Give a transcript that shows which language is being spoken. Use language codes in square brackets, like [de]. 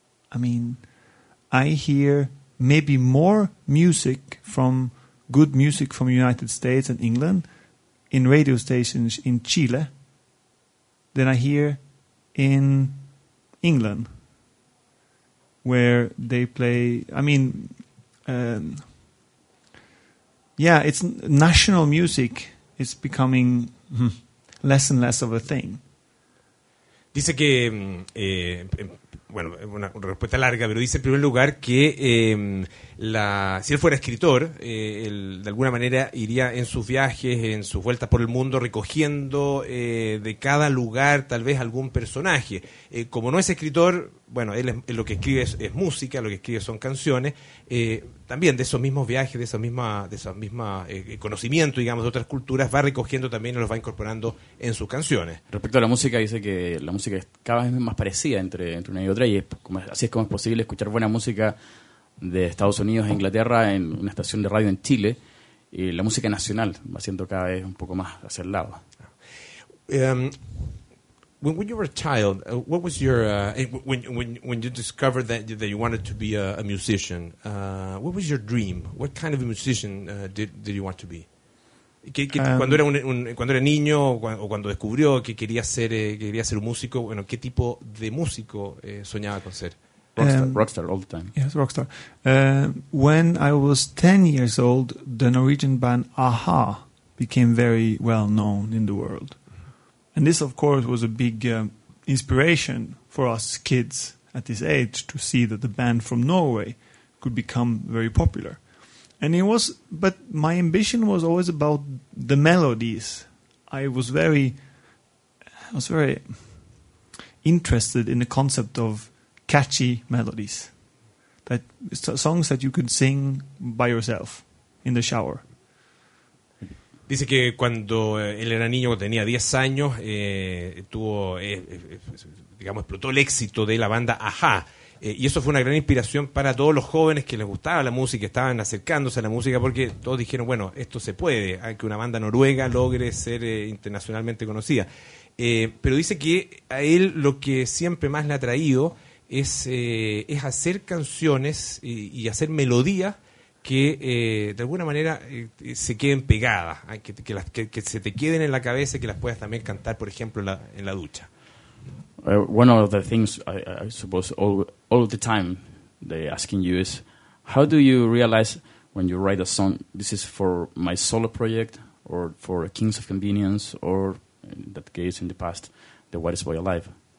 [en] I mean, I hear maybe more music from good music from the United States and England in radio stations in Chile than I hear in England, where they play. I mean, it's national music is becoming less and less of a thing. [es] Dice que. Bueno, una respuesta larga, pero dice en primer lugar que si él fuera escritor, él de alguna manera iría en sus viajes, en sus vueltas por el mundo, recogiendo de cada lugar tal vez algún personaje. Como no es escritor, bueno, él es lo que escribe es música, lo que escribe son canciones, también de esos mismos viajes, de esos mismos conocimientos, digamos, de otras culturas, va recogiendo también y los va incorporando en sus canciones. Respecto a la música, dice que la música es cada vez más parecida entre una y otra, y es como, así es como es posible escuchar buena música de Estados Unidos e Inglaterra en una estación de radio en Chile, y la música nacional va siendo cada vez un poco más hacia el lado. [en] When you were a child, what was your when you discovered that you wanted to be a musician? What was your dream? What kind of a musician did you want to be? [es] Cuando era niño o cuando descubrió que quería ser un músico, bueno, ¿qué tipo de músico soñaba con ser? [en] Rockstar all the time. Yes, rockstar. When I was 10 years old, the Norwegian band A-ha became very well known in the world. And this, of course, was a big inspiration for us kids at this age to see that the band from Norway could become very popular. But my ambition was always about the melodies. I was very interested in the concept of catchy melodies, that songs that you could sing by yourself in the shower. [es] Dice que cuando él era niño, cuando tenía 10 años, digamos, explotó el éxito de la banda A-ha. Y eso fue una gran inspiración para todos los jóvenes que les gustaba la música, estaban acercándose a la música, porque todos dijeron, bueno, esto se puede, que una banda noruega logre ser internacionalmente conocida. Pero dice que a él lo que siempre más le ha traído es hacer canciones y hacer melodías que de alguna manera se queden pegadas, que se te queden en la cabeza y que las puedas también cantar, por ejemplo, en la ducha. [en] One of the things I suppose all the time they asking you is, how do you realize when you write a song, this is for my solo project or for Kings of Convenience or in that case in the past, The White Boy Alive?